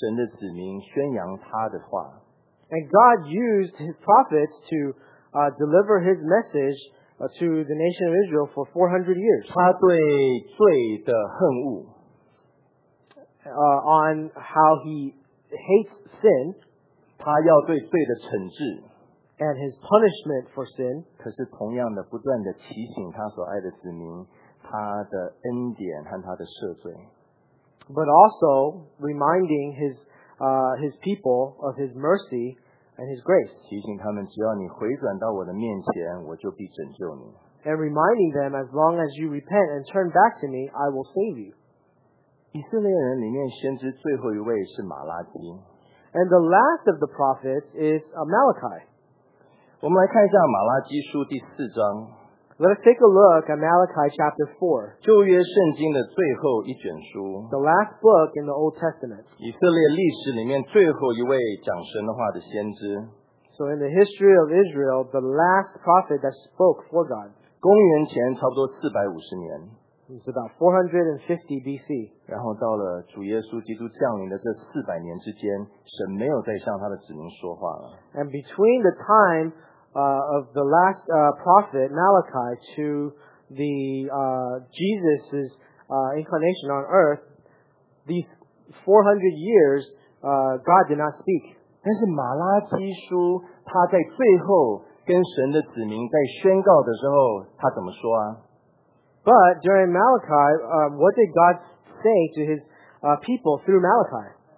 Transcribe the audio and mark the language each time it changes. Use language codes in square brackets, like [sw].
[zh] 神在400年的时间之内用了许许多多的先知来向属神的子民宣扬他的话。 [en] And God used his prophets to deliver his message to the nation of Israel for 400 years. [zh] 他对罪的恨恶, [en] on how he hates sin, [zh] 他要对罪的惩治, [en] and his punishment for sin. [zh] 可是同样的不断地提醒他所爱的子民他的恩典和他的赦罪, [en] but also reminding his people of his mercy and his grace. [zh] 提醒他们只要你回转到我的面前我就必拯救你, [en] and reminding them, as long as you repent and turn back to me, I will save you. [zh] 以色列人里面先知最后一位是马拉基。 [en] And the last of the prophets is Malachi. [zh] 我们来看一下马拉基书第四章。 [en] Let us take a look at Malachi chapter 4. [zh] 旧约圣经的最后一卷书。 [en] The last book in the Old Testament. [zh] 以色列历史里面最后一位讲神的话的先知。 [en] So in the history of Israel, the last prophet that spoke for God. [zh] 公元前差不多450年。 [en] It's about 450 BC. [zh] 然后到了主耶稣基督降临的这400年之间, 神没有再向他的子民说话了。 [en] And between the time of the last prophet Malachi to the Jesus's incarnation on earth, these 400 years, God did not speak. [zh] 但是马拉基书, 他在最后跟神的子民在宣告的时候，他怎么说啊？ [en] But during Malachi, what did God say to his people through Malachi?